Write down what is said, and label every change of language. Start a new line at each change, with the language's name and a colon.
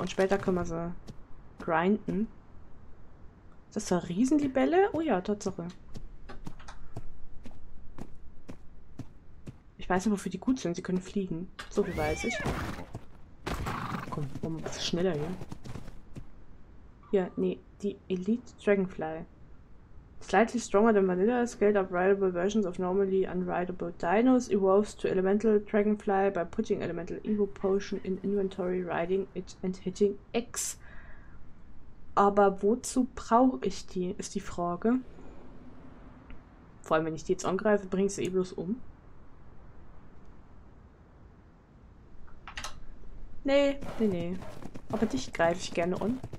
German: Und später können wir sie grinden. Das ist eine Riesenlibelle? Oh ja, Tatsache. Ich weiß nicht, wofür die gut sind. Sie können fliegen. So viel weiß ich. Komm, machen wir ein bisschen schneller hier. Ja, nee. Die Elite Dragonfly.
English: Slightly stronger than vanilla, scaled up rideable versions of normally unrideable dinos, evolves to elemental dragonfly by putting elemental evo potion in inventory, riding it and hitting X.
German: Aber wozu brauche ich die, ist die Frage. Vor allem, wenn ich die jetzt angreife, bringe ich sie eh bloß um. Nee, nee, nee. Aber dich greife ich gerne an.